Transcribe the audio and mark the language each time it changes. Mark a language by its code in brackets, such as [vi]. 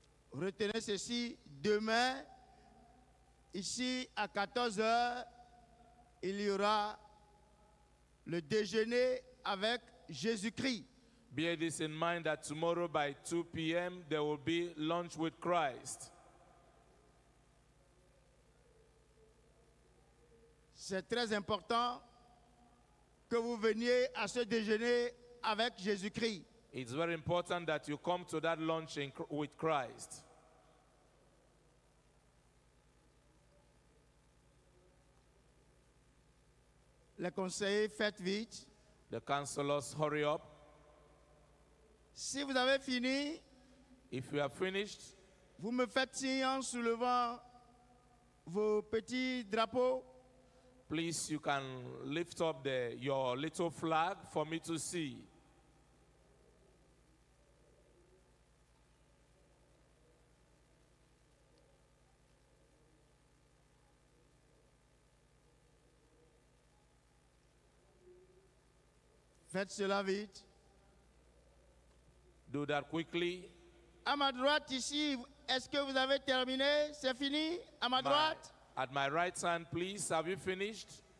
[fr] Retenez ceci, demain, ici à 14h, il y aura le déjeuner avec Jésus-Christ. [en] Bear this in mind that tomorrow by 2 p.m. there will be lunch with Christ. [fr] C'est très important que vous veniez à ce déjeuner avec Jésus-Christ. [en] It's very important that you come to that lunch with Christ. [fr] Les conseillers, faites vite. [en] The counselors, hurry up. [fr] Si vous avez fini, [en] if you have finished, [fr] vous me faites signe en soulevant vos petits drapeaux. [en] Please, you can lift up your little flag for me to see. [fr] Faites cela vite. [en] Do that quickly. [fr] À ma droite ici, est-ce que vous avez terminé? C'est fini? À ma droite? [en] At my right hand, please, have you finished?